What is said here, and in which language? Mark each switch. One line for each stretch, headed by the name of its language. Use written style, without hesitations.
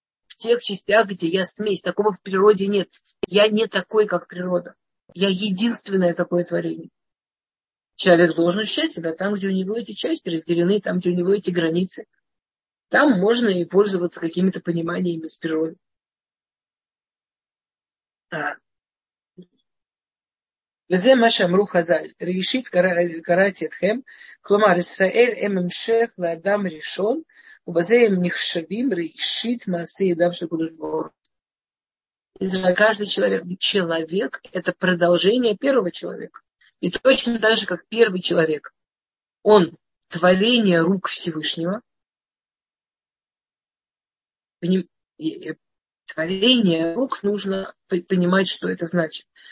Russian: В тех частях, где я смесь. Такого в природе нет. Я не такой, как природа. Я единственное такое творение. Человек должен ощущать себя там, где у него эти части разделены, там, где у него эти границы. Там можно и пользоваться какими-то пониманиями из природы.
Hebrew: וזה מה שאמרו חז"ל, ראשית קראתי אתכם, כלומר ישראל הם המשך לאדם ראשון, ובזה הם נחשבים ראשית מעשי ידיו של קדוש ברוך.
Russian: Израиль, каждый человек, человек – это продолжение первого человека. И точно так же, как первый человек, он – творение рук Всевышнего. Творение рук нужно понимать, что это значит.